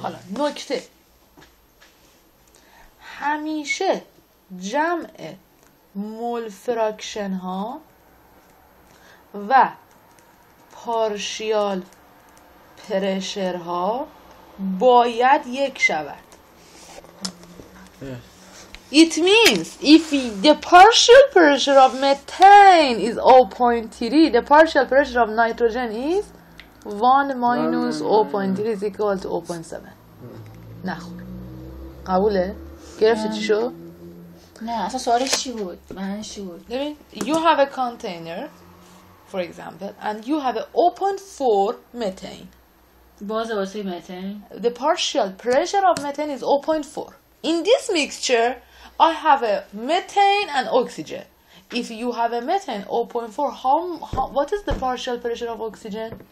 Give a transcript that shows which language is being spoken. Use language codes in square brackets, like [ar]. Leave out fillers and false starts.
[fa] حالا نکته همیشه جمع مول فراکشن ها و پارشیال پرشر ها باید یک شود. [en] It means if the partial pressure of methane is 0.3, the partial pressure of nitrogen is 1 minus 0.3 is equal to 0.7. [fa] نخور. قبوله؟ گرفتی چی شو؟ نه اصلا سوالش چی بود؟ من چی بود؟ [en] You have a container, for example, and you have 0.4 methane. [fa] بازه واسه methane. [en] The partial pressure of methane is 0.4. In this mixture, I have a methane and oxygen. If you have a methane 0.4, what is the partial pressure of oxygen?